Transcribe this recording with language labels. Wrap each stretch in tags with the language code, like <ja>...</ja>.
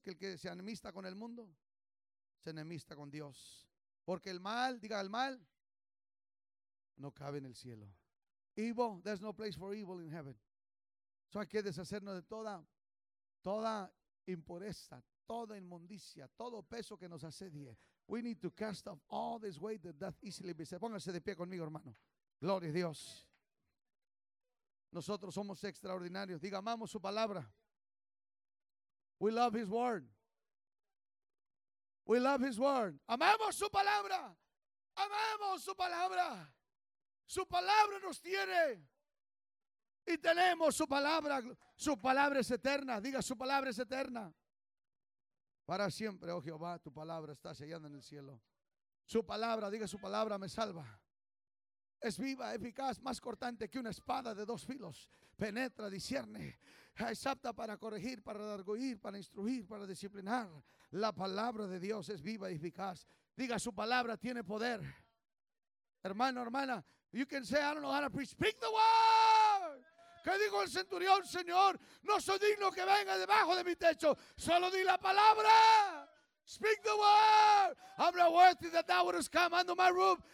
<es>Que el que se enemista con el mundo, se enemista con Dios. Porque el mal, diga, el mal no cabe en el cielo.</es> <en>Evil, there's no place for evil in heaven.</en> <es>So hay que deshacernos de toda impureza, toda inmundicia, todo peso que nos asedie.</es> <en>We need to cast off all this weight that doth easily beset.</en> <es>Póngase de pie conmigo, hermano. Gloria a Dios. Nosotros somos extraordinarios. Diga, amamos su palabra.</es> <en>We love his word. We love his word.</en> <es>Amamos su palabra. Amamos su palabra. Su palabra nos tiene. Y tenemos su palabra. Su palabra es eterna. Diga, su palabra es eterna. Para siempre, oh Jehová, tu palabra está sellada en el cielo. Su palabra, diga, su palabra me salva. Es viva, eficaz, más cortante que una espada de dos filos. Penetra, discierne. Es apta para corregir, para redarguir, para instruir, para disciplinar. La palabra de Dios es viva y eficaz. Diga, su palabra tiene poder.</es> <en>Hermano, hermana, you can say, I don't know how to preach. Speak the word.</en> <es>¿Qué dijo el centurión? Señor, no soy digno que venga debajo de mi techo. Solo di la palabra.</es> <en>Speak the word. I'm not worthy that thou wouldest come under my roof.</en>